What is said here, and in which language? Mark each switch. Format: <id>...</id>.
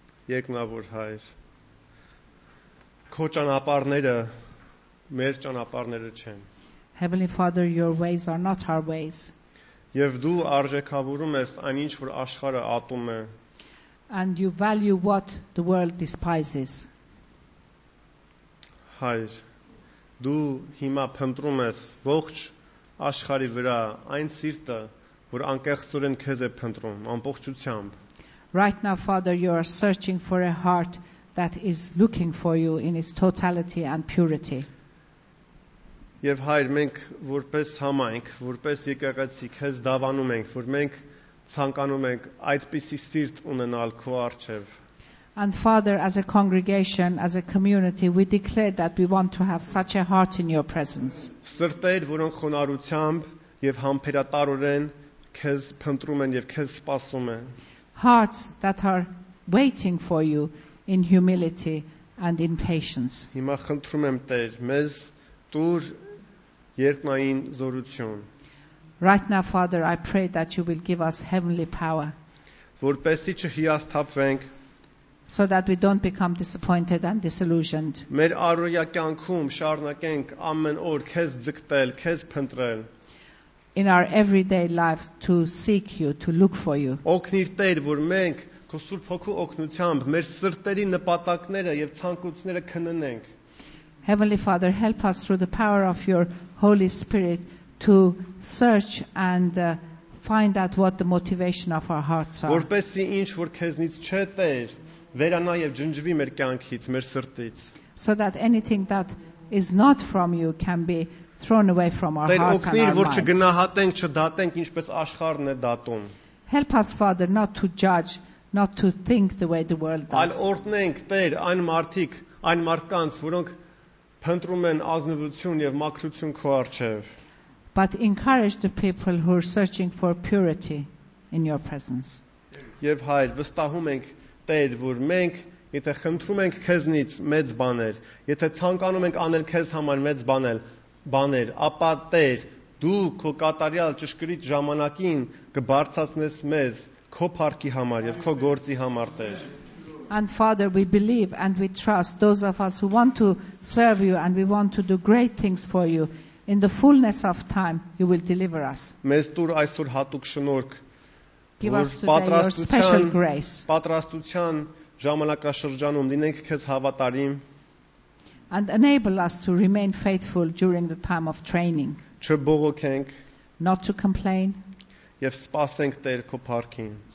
<hy>Երկնավոր Հայր, քո ճանապարհները մեր ճանապարհները չեն։</hy> <en>Heavenly Father, your ways are not our ways.</en> <hy>Եվ դու արժեքավորում ես այնինչ, որ աշխարհը ատում է։</hy> <en>And you value what the world despises.</en> <hy>Հայր, դու հիմա փնտրում ես ողջ աշխարհի վրա այն սիրտը, որ անկեղծորեն քեզ է փնտրում, ամբողջությամբ։</hy> <en>Right now, Father, you are searching for a heart that is looking for you in its totality and purity.</en> <hy>Եվ հայր, մենք որպես համայնք, որպես եկեղեցի, քեզ դավանում ենք, որ մենք ցանկանում ենք այդպիսի սիրտ ունենալ քո առջև.</hy> <en>And Father, as a congregation, as a community, we declare that we want to have such a heart in your presence.</en> <hy>Սրտեր, որոնք խոնարհությամբ եւ համբերատարորեն քեզ փնտրում են եւ քեզ սպասում են.</hy> <en>Hearts that are waiting for you in humility and in patience.</en> <hy>Հիմա խնդրում եմ Տեր, մեզ տուր երկնային զորություն.</hy> <en>Right now, Father, I pray that you will give us heavenly power.</en> <hy>Որպեսզի չհիասթափվենք.</hy> <en>So that we don't become disappointed and disillusioned.</en> <hy>Մեր առօրյա կյանքում շարունակենք ամեն օր քեզ ձգտել, քեզ փնտրել.</hy> <en>In our everyday lives to seek you, to look for you.</en> <hy>Օգնիր Տեր, որ մենք քո Սուրբ Հոգու օգնությամբ մեր սրտերի նպատակները եւ ցանկությունները քննենք.</hy> <en>Heavenly Father, help us through the power of your Holy Spirit to search and find out what the motivation of our hearts are.</en> <hy>Որպեսզի ինչ որ քեզնից չէ Տեր, վերանա եւ ջնջվի մեր կյանքից, մեր սրտից.</hy> <en>So that anything that is not from you can be thrown away from our hearts.</en> <hy>Տեր, օգնիր, որ չգնահատենք, չդատենք, ինչպես աշխարհն է դատում.</hy> <en>Help us, Father, not to judge, not to think the way the world does.</en> <hy>Այլ օրհնենք, Տեր, այն մարդիկ, այն մարդկանց, որոնք փնտրում են ազնվություն եւ մաքրություն քո առջեւ.</hy> <en>But encourage the people who are searching for purity in your presence.</en> <hy>Եվ հայր, վստահում ենք Տեր, որ մենք եթե խնդրում ենք քեզնից մեծ բաներ, եթե ցանկանում ենք անել քեզ համար մեծ բաներ, ապա Տեր, դու քո կատարյալ ճշգրիտ ժամանակին կբարձրացնես մեզ քո փառքի համար եւ քո գործի համար Տեր.</hy> <en>And Father, we believe and we trust those of us who want to serve you and we want to do great things for you. In the fullness of time, you will deliver us.</en> <hy>Մեզ տուր այսօր հատուկ շնորհք.</hy> <en>Give us today your special grace.</en> <hy>Պատրաստության ժամանակաշրջանում լինենք քեզ հավատարիմ.</hy> <en>And enable us to remain faithful during the time of training.</en> <hy>Չբողոքենք.</hy> <en>Not to complain.</en> <hy>Եվ սպասենք Տեր քո փառքին.</hy>